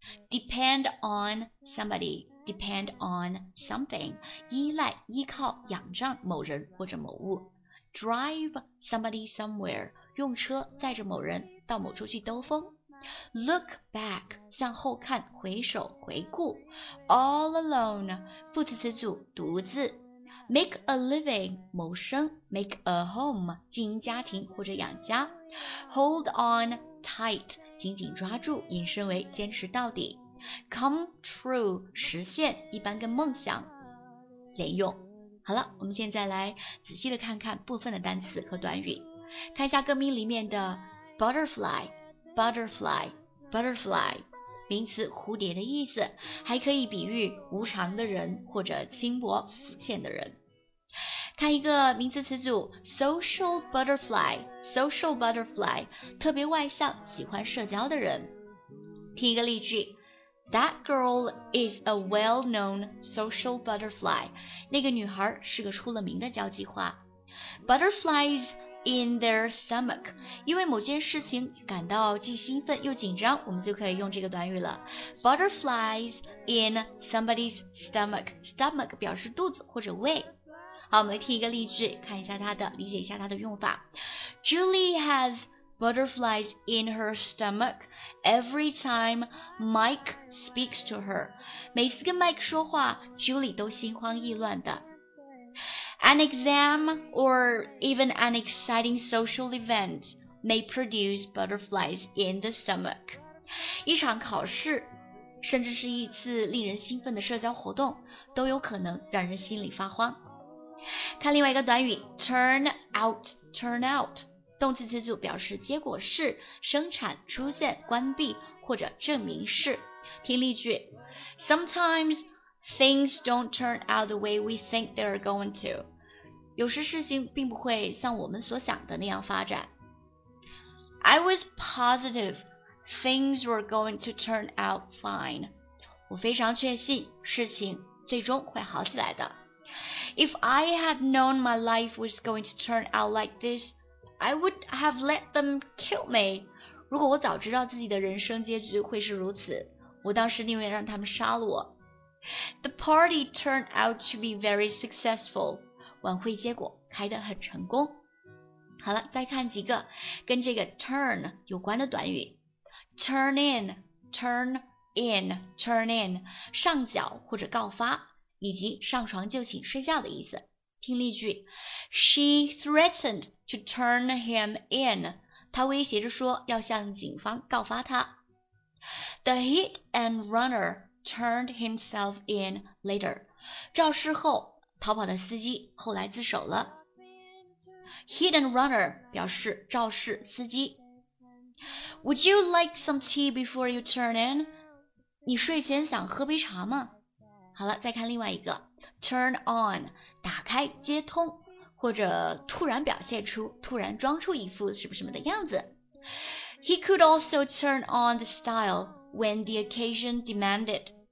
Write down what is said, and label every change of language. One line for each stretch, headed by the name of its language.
English: Depend on somebody, depend on something
Chinese: 依赖、依靠、仰仗某人或者某物。
English: Drive somebody somewhere.
Chinese: 用车载着某人到某处去兜风。
English: Look back,
Chinese: 向后看，回首，回顾。
English: All alone,
Chinese: 副词词组，独自。
English: Make a living,
Chinese: 谋生。
English: Make a home,
Chinese: 经营家庭或者养家。
English: Hold on tight,
Chinese: 紧紧抓住，引申为坚持到底。
English: Come true,
Chinese: 实现，一般跟梦想连用。好了，我们现在来仔细的看看部分的单词和短语。看一下歌名里面的 butterfly butterfly, butterfly, 名词蝴蝶的意思，还可以比喻无常的人或者轻薄浮现的人。看一个名词词组
English: social butterfly, social butterfly,
Chinese: 特别外向喜欢社交的人。听一个例句，
English: That girl is a well-known social butterfly,
Chinese: 那个女孩是个出了名的交际花。
English: Butterflies in their stomach,
Chinese: 因为某件事情感到既兴奋又紧张，我们就可以用这个短语了。
English: Butterflies in somebody's stomach, stomach
Chinese: 表示肚子或者胃。好，我们来听一个例句，看一下它的，理解一下它的用法。
English: Julie has butterflies in her stomach every time Mike speaks to her.
Chinese: 每次跟 Mike 说话， Julie 都心慌意乱的。
English: An exam or even an exciting social event may produce butterflies in the stomach.
Chinese: 一场考试，甚至是一次令人兴奋的社交活动，都有可能让人心里发慌。看另外一个短语 turn out 动词词组表示结果是生产出现关闭或者证明是听例句
English: Sometimes things don't turn out the way we think they are going to
Chinese: 有时事情并不会像我们所想的那样发展
English: I was positive things were going to turn out fine
Chinese: 我非常确信事情最终会好起来的
English: If I had known my life was going to turn out like this, I would have let them kill me.
Chinese: 如果我早知道自己的人生结局会是如此，我当时宁愿让他们杀了我。
English: The party turned out to be very successful.
Chinese: 晚会结果开得很成功。好了，再看几个跟这个 turn 有关的短语。
English: Turn in,
Chinese: 上脚或者告发。以及上床就寝睡觉的意思。听例句
English: She threatened to turn him in.
Chinese: 她威胁着说要向警方告发他。
English: The hit and runner turned himself in later.
Chinese: 肇事后逃跑的司机后来自首了。
English: Hit and runner
Chinese: 表示肇事司机。
English: Would you like some tea before you turn in?
Chinese: 你睡前想喝杯茶吗？好了，再看另外一个 turn on 打开接通或者突然表现出突然装出一副什么什么的样子
English: He could also turn on the style when the occasion demanded